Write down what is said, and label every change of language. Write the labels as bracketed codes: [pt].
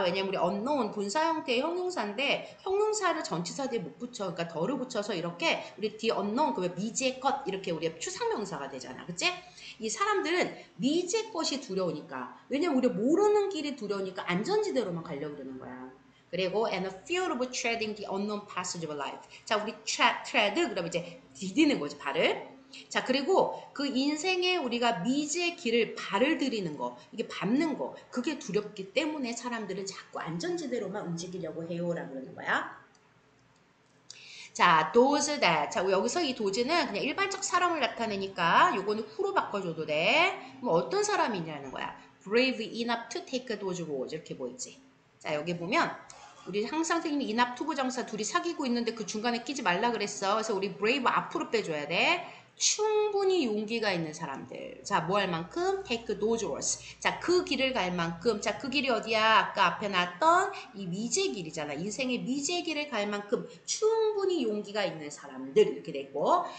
[ko] 왜냐면 우리 unknown 분사 형태의 형용사인데 형용사를 전치사 뒤에 못 붙여. 그러니까 덜을 붙여서 이렇게 우리 the unknown 그 미지의 것 이렇게 우리의 추상명사가 되잖아. 그치? 이 사람들은 미지의 것이 두려우니까. 왜냐면 우리 모르는 길이 두려우니까 안전지대로만 가려고 그러는 거야. [en] 그리고 and a fear of treading the unknown passage of life. [ko] 자, 우리 tread 그럼 이제 디디는 거지 발을. 자, 그리고 그 인생에 우리가 미지의 길을 발을 들이는 거, 이게 밟는 거, 그게 두렵기 때문에 사람들은 자꾸 안전지대로만 움직이려고 해요라고 그러는 거야. 자, [en] those that. [ko] 자, 여기서 이 도즈는 그냥 일반적 사람을 나타내니까 요거는 who로 바꿔줘도 돼. 뭐 어떤 사람이냐는 거야. [en] Brave enough to take those roles [ko] 이렇게 보이지. 자, 여기 보면. 우리 항상 선생님이 enough to 부정사 둘이 사귀고 있는데 그 중간에 끼지 말라 그랬어. 그래서 우리 brave 앞으로 빼줘야 돼. 충분히 용기가 있는 사람들. 자, 뭐할 만큼? [en] Take those roads. [ko] 자, 그 길을 갈 만큼. 자, 그 길이 어디야? 아까 앞에 놨던 이 미지의 길이잖아. 인생의 미지의 길을 갈 만큼 충분히 용기가 있는 사람들. 이렇게 되고.